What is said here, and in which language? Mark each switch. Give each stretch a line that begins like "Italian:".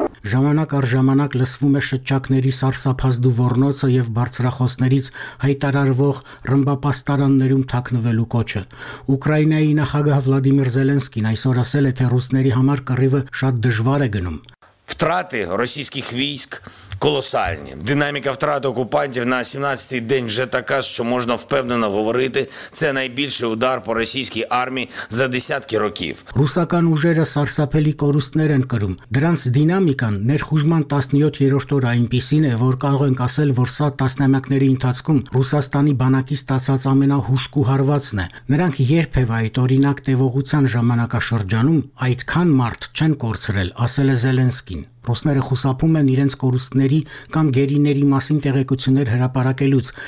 Armenian: Ժամանակ առ ժամանակ լսվում է շրջակների սարսափազդու ոռնոցը և բարձրախոսներից հայտարարվող ռմբապաստարաններում թաքնվելու կոչը։ Ուկրաինայի նախագահ Վլադիմիր Զելենսկին այսօր ասել է, թե ռուսների համար կռիվը շատ դժվար է գնում։
Ukrainian: Втрати російських військ колосальні. Динаміка втрат окупантів на 17-й день вже така, що можна впевнено говорити, це найбільший удар по російській армії за десятки років.
Armenian: Ռուսական ուժերը սարսափելի կորուստներ են կրում. Դրանց դինամիկան ներխուժման 17-րդ օրը այնպիսին է, որ կարող ենք ասել, որ սա տասնամյակների ընթացքում Ռուսաստանի բանակի ստացած ամենահուժկու հարվածն է։ Նրանք երբևէ այդ օրինակ տևողության ժամանակաշրջանում այդքան մարդ չեն կորցրել, ասել է Զելենսկին։ Ռուսները խուսափում են իրենց կորուստների կամ գերիների մասին տեղեկություններ հրապարակելուց,